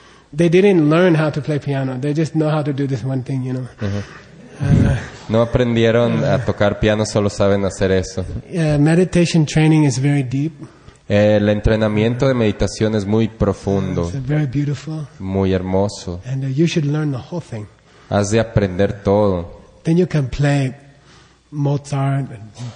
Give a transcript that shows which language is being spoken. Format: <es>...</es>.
<en>They didn't learn how to play piano. They just know how to do this one thing, you know.</en> <es>No aprendieron a tocar piano, solo saben hacer eso.</es> <en>Meditation training is very deep.</en> <es>El entrenamiento de meditación es muy profundo, muy hermoso.</es> <en>And you should learn the whole thing.</en> <es>Has de aprender todo.</es> <en>Then you can play Mozart and</en>